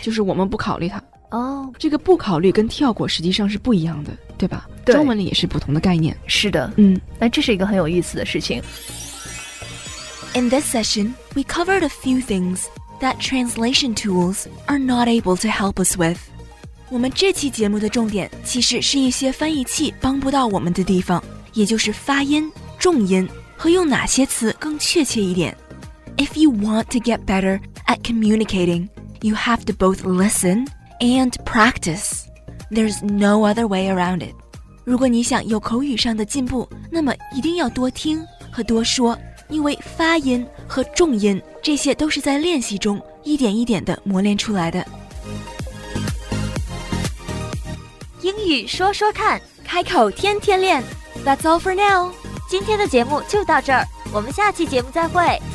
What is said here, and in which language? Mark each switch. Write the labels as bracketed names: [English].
[Chinese] 就是我们不考虑它。哦，这个不考虑跟跳过实际上是不一样的，对吧？对，中文里也是不同的概念。是的，那这是一个很有意思的事情。 [English] In this session, we covered a few things that translation tools are not able to help us with. [Chinese] 我们这期节目的重点其实是一些翻译器帮不到我们的地方，也就是发音、重音和用哪些词更确切一点。 [English] If you want to get better at communicating, you have to both listen and practice. There's no other way around it. [Chinese] 如果你想有口语上的进步，那么一定要多听和多说，因为发音和重音这些都是在练习中一点一点的磨练出来的。英语说说看，开口天天练。 [English] That's all for now， [Chinese] 今天的节目就到这儿，我们下期节目再会。